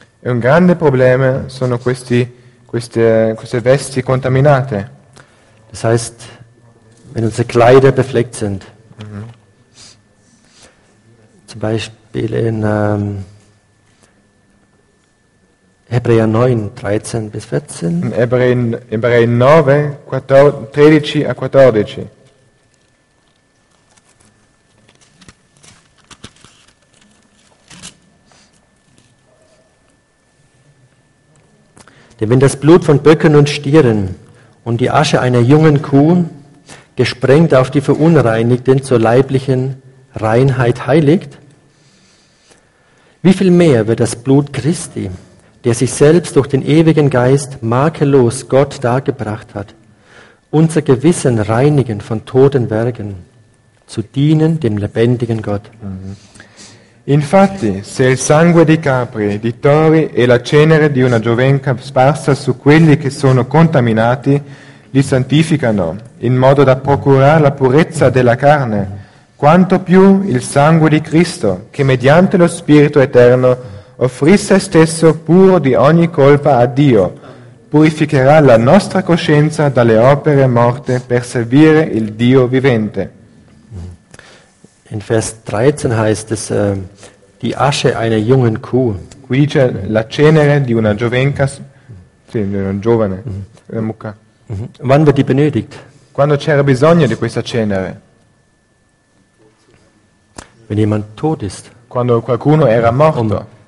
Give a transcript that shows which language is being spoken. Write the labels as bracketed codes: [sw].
[it] E un grande problema sono queste vesti contaminate. [de] Das heißt, wenn unsere Kleider befleckt sind. Zum Beispiel in Hebräer 9, 13 bis 14. Hebräer 9, 13 a 14. Denn wenn das Blut von Böcken und Stieren und die Asche einer jungen Kuh gesprengt auf die Verunreinigten zur leiblichen Reinheit heiligt, wie viel mehr wird das Blut Christi, der sich selbst durch den ewigen Geist makellos Gott dargebracht hat, unser Gewissen reinigen von toten Werken, zu dienen dem lebendigen Gott. [it] Infatti, se il sangue di capri, di tori e la cenere di una giovenca sparsa su quelli che sono contaminati, li santificano, in modo da procurare la purezza della carne, quanto più il sangue di Cristo, che mediante lo Spirito Eterno offrì se stesso puro di ogni colpa a Dio, purificherà la nostra coscienza dalle opere morte per servire il Dio vivente. [de] In Vers 13 heißt es die Asche einer jungen Kuh. [it] Qui c'è la cenere di una giovenca, sì, di una giovane mucca. [de] Wann wird die benötigt? [it] Quando c'era bisogno di questa cenere? [de] Wenn jemand tot ist. [it] Quando qualcuno era morto.